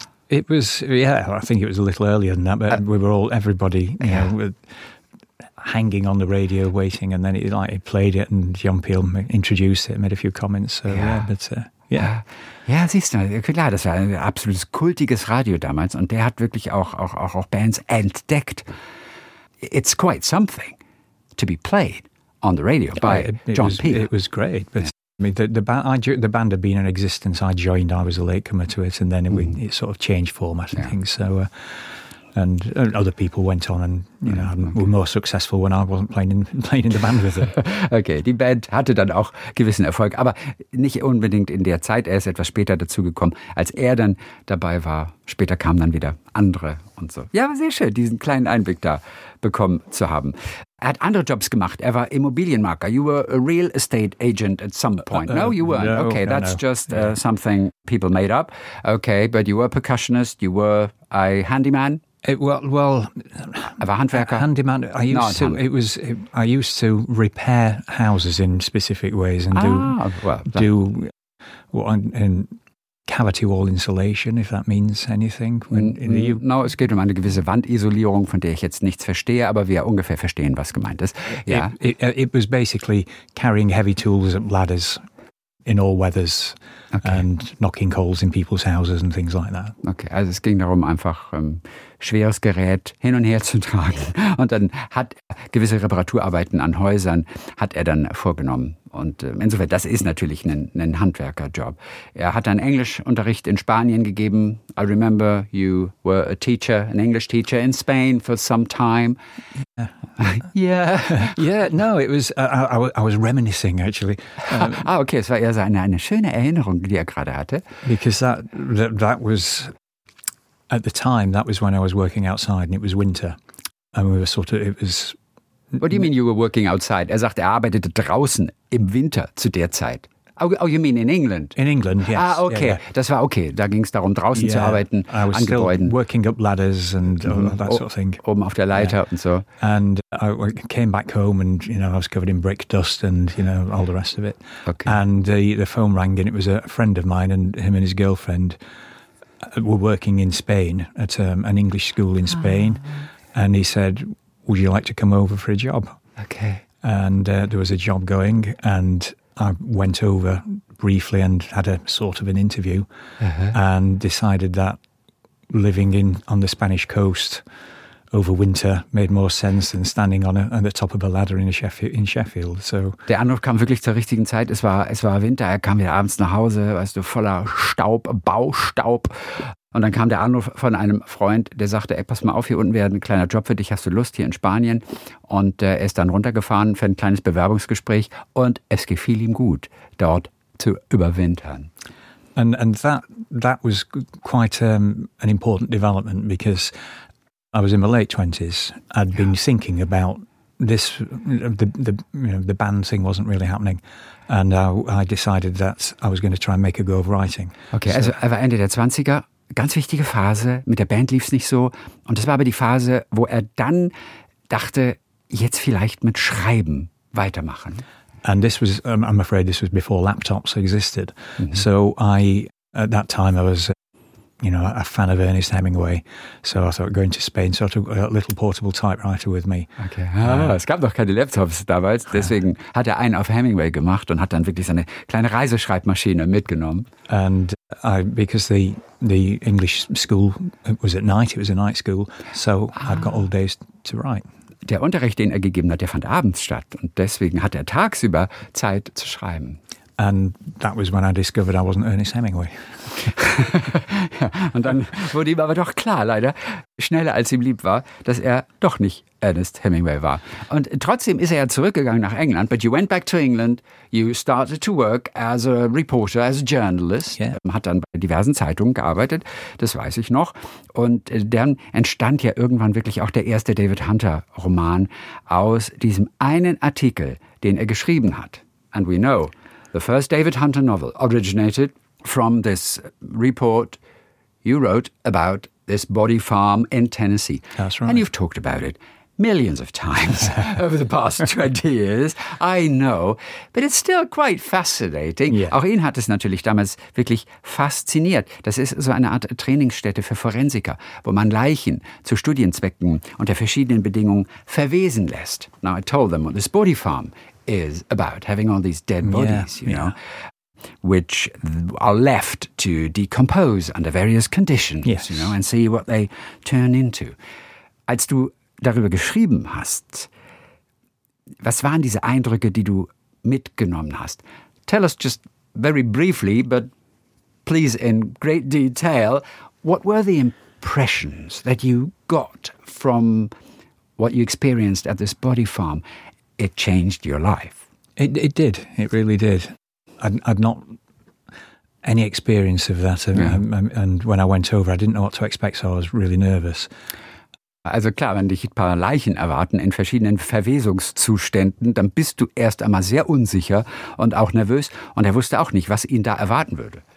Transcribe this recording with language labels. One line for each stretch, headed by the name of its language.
English: It was, I think it was a little earlier than that, but we were all, everybody, you know, with... hanging on the radio, waiting, and then it played it, and John Peel introduced it, made a few comments. So,
German: siehst du, klar, das war ein absolutes kultiges Radio damals, und der hat wirklich auch Bands entdeckt.
English: It's quite something to be played on the radio by John Peel. It was great, but I mean, the band had been in existence. I joined, I was a latecomer to it, and then it sort of changed format and things. And other people went on and, were more successful when I wasn't playing in the band with them.
German: Okay, die Band hatte dann auch gewissen Erfolg, aber nicht unbedingt in der Zeit. Er ist etwas später dazugekommen, als er dann dabei war. Später kamen dann wieder andere und so. Ja, sehr schön, diesen kleinen Einblick da bekommen zu haben. Er hat andere Jobs gemacht. Er war Immobilienmakler.
English: You were a real estate agent at some point. No, you weren't. No, okay, no, that's no. just something people made up. Okay, but you were a percussionist. You were a handyman. Well, of a handwerker. Handyman. I used to repair houses in specific ways and cavity wall insulation, if that means anything.
German: Es geht um eine gewisse Wandisolierung, von der ich jetzt nichts verstehe, aber wir ungefähr verstehen, was gemeint ist.
English: Yeah. It was basically carrying heavy tools and ladders in all weathers and knocking holes in people's houses and things like that.
German: Okay, also es ging darum, einfach schweres Gerät hin und her zu tragen. Und dann hat gewisse Reparaturarbeiten an Häusern hat er dann vorgenommen. Und insofern, das ist natürlich ein Handwerkerjob. Er hat dann Englischunterricht in Spanien gegeben.
English: I remember you were a teacher, an English teacher in Spain for some time. I was reminiscing, actually.
German: Okay, es war eher so eine schöne Erinnerung, die er gerade hatte.
English: Because that was, at the time, that was when I was working outside and it was winter. And we were sort of, it was... What do you mean you were working outside?
German: Er sagt, er arbeitete draußen im Winter zu der Zeit.
English: Oh, you mean in England? In England, yes.
German: Ah, okay. Yeah, yeah. Das war okay. Da ging es darum, draußen zu arbeiten,
English: I was
German: an Gebäuden.
English: Working up ladders and that sort of thing.
German: Oben auf der Leiter und so.
English: And I came back home and, I was covered in brick dust and, all the rest of it. Okay. And the phone rang and it was a friend of mine and him and his girlfriend were working in Spain at an English school in Spain. And he said, would you like to come over for a job? Okay. And there was a job going and I went over briefly and had a sort of an interview and decided that living in on the Spanish coast over winter made more sense than standing on the top of a ladder in Sheffield. So
German: der Anruf kam wirklich zur richtigen Zeit. Es war Winter. Er kam wieder abends nach Hause, weißt du, voller Staub, Baustaub. Und dann kam der Anruf von einem Freund, der sagte, ey, pass mal auf, hier unten wäre ein kleiner Job für dich, hast du Lust, hier in Spanien? Und er ist dann runtergefahren für ein kleines Bewerbungsgespräch und es gefiel ihm gut, dort zu überwintern.
English: And that was quite an important development, because I was in my late 20s, I'd been thinking about this, the band thing wasn't really happening. And I decided that I was going to try and make a go of writing.
German: Okay, so, also er war Ende der 20er. ganz wichtige Phase. Mit der Band lief es nicht so. Und das war aber die Phase, wo er dann dachte, jetzt vielleicht mit Schreiben weitermachen.
English: And this was, I'm afraid this was before laptops existed. Mm-hmm. So I, at that time I was, you know, a fan of Ernest Hemingway. So I thought going to Spain, so I took a little portable typewriter with me.
German: Okay. Es gab noch keine Laptops damals. Deswegen hat er einen auf Hemingway gemacht und hat dann wirklich seine kleine Reiseschreibmaschine mitgenommen.
English: And I, because the English school, it was a night school. So I've got all days to write.
German: Der Unterricht, den er gegeben hat, der fand abends statt. Und deswegen hat er tagsüber Zeit zu schreiben.
English: And that was when I discovered I wasn't Ernest Hemingway.
German: Ja, und dann wurde ihm aber doch klar, leider, schneller als ihm lieb war, dass er doch nicht Ernest Hemingway war. Und trotzdem ist er ja zurückgegangen nach England.
English: But you went back to England. You started to work as a reporter, as a journalist. Yeah.
German: Hat dann bei diversen Zeitungen gearbeitet, das weiß ich noch. Und dann entstand ja irgendwann wirklich auch der erste David Hunter-Roman aus diesem einen Artikel, den er geschrieben hat.
English: And we know, the first David Hunter novel originated from this report you wrote about this body farm in Tennessee. That's right. And you've talked about it millions of times over the past 20 years. I know. But it's still quite fascinating. Yeah.
German: Auch ihn hat es natürlich damals wirklich fasziniert. Das ist so eine Art Trainingsstätte für Forensiker, wo man Leichen zu Studienzwecken unter verschiedenen Bedingungen verwesen lässt.
English: Now, I told them what this body farm is about, having all these dead bodies, you know, which are left to decompose under various conditions, yes, you know, and see what they turn into.
German: Als du darüber geschrieben hast, was waren diese Eindrücke, die du mitgenommen hast?
English: Tell us just very briefly, but please in great detail, what were the impressions that you got from what you experienced at this body farm? It changed your life. It did. It really did. I'd not any experience of that. And when I went over, I didn't know what to expect, so I was really nervous.
German: Also klar, wenn dich ein paar Leichen erwarten in verschiedenen Verwesungszuständen, dann bist du erst einmal sehr unsicher und auch nervös. Und er wusste auch nicht, was ihn da erwarten würde.